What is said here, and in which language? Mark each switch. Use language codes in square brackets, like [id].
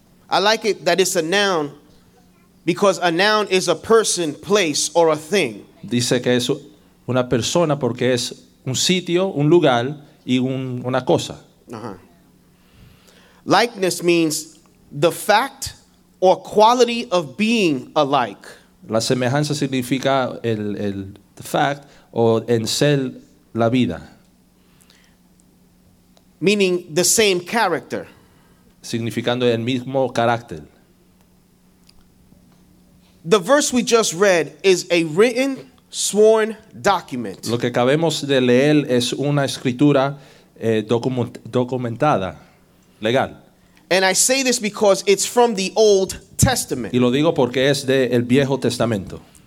[en] I like it that it's a noun because a noun is a person, place, or a thing. [es] Dice que es una persona porque es un sitio, un lugar y una cosa. Uh-huh. [en] Likeness means the fact or quality of being alike. [es] La semejanza significa el fact o en ser la vida. [en] Meaning the same character. [es] Significando el mismo carácter. [en] The verse we just read is a written sworn document. [es] Lo que acabemos de leer es una escritura documentada, legal. [en] And I say this because it's from the Old Testament. [es] Y lo digo porque es de el Viejo Testamento.